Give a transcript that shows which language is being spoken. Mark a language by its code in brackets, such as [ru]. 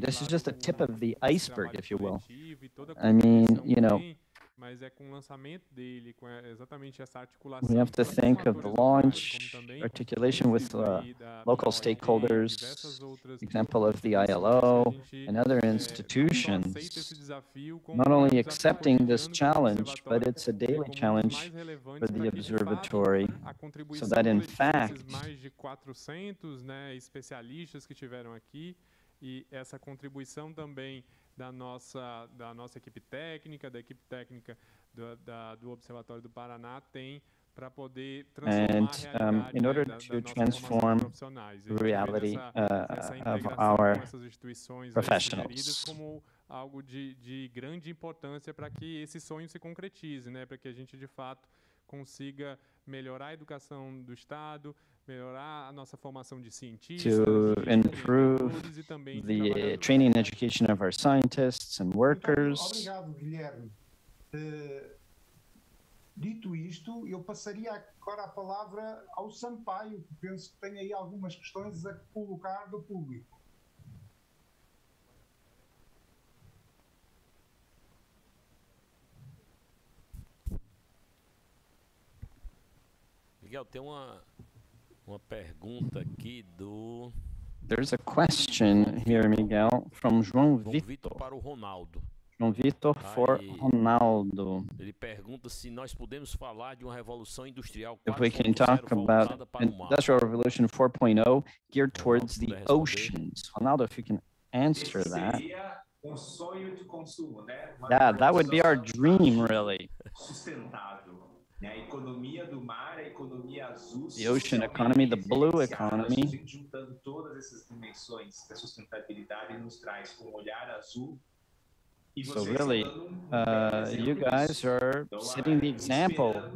[en] This is just the tip of the iceberg, if you will. I mean, you know, [pt] mas é com o lançamento dele, com exatamente essa articulação. [en] We have to think of the launch, articulation with local stakeholders, example of the ILO and other institutions, not only accepting this challenge, but it's a daily challenge for the observatory, so that in fact, [pt] mais de 400, né, especialistas que tiveram aqui, e essa contribuição também da nossa equipe técnica, da equipe técnica do Observatório do Paraná tem para poder transformar [en] and, in order to transform the reality of our professionals. [pt] Como algo de grande importância para que esse sonho se concretize, né, para que a gente de fato consiga melhorar a educação do estado, melhorar a nossa formação de cientistas, [en] to improve the training and education of our scientists and workers. [pt] Obrigado, Guilherme. Dito isto, eu passaria agora a palavra ao Sampaio, que penso que tem aí algumas questões a colocar do público. Miguel, tem uma pergunta aqui do... [en] There's a question here, Miguel, from João Vitor. [pt] João Vitor para o Ronaldo. [en] João Vitor for Ronaldo. [pt] Ele pergunta se nós podemos falar de uma revolução industrial 4.0 voltada para o mar. [en] Industrial Revolution 4.0 geared towards the oceans. Ronaldo, if you can answer that. [pt] Seria um sonho de consumo, né? [en] Yeah, that would be our dream, really. [pt] Sustentável. A economia do mar, a economia azul, [en] the ocean economy, the blue economy. [pt] Juntando todas essas dimensões da sustentabilidade nos traz com um olhar azul. [en] So really, you guys are setting the example.